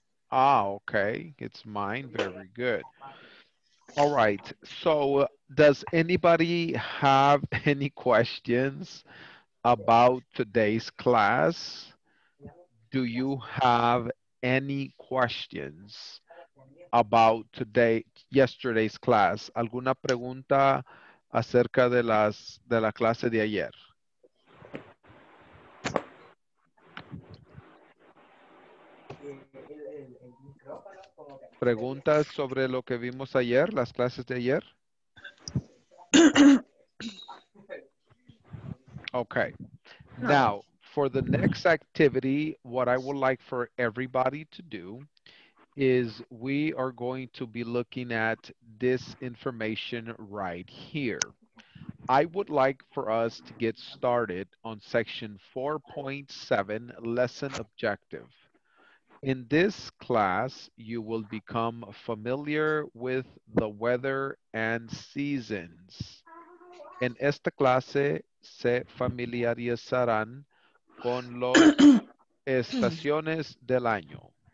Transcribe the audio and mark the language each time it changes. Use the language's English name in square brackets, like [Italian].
[English] Ah, okay. It's mine. Very good. All right. So does anybody have any questions about today's class? Do you have any questions about yesterday's class? [Spanish] ¿Alguna pregunta acerca de la clase de ayer? ¿Preguntas sobre lo que vimos ayer, las clases de ayer? [English] Okay. No. Now, for the next activity, what I would like for everybody to do is we are going to be looking at this information right here. I would like for us to get started on section 4.7, lesson objective. In this class, you will become familiar with the weather and seasons. [Spanish] En esta clase, se familiarizarán con las estaciones del año.